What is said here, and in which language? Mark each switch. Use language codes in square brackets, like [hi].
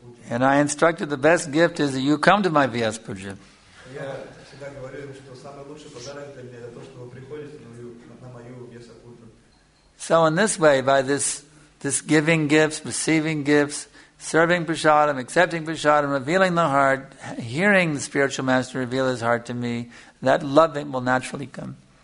[en] And I instructed the best gift is that you come to my Vyas Puja. [ru] Я всегда говорю, что самый лучший подарок для меня это то, что вы приходите на мою [en] So in this way, by this giving gifts, receiving gifts, serving prasadam, accepting prasadam, revealing the heart, hearing the spiritual master reveal his heart to me, that loving will naturally come.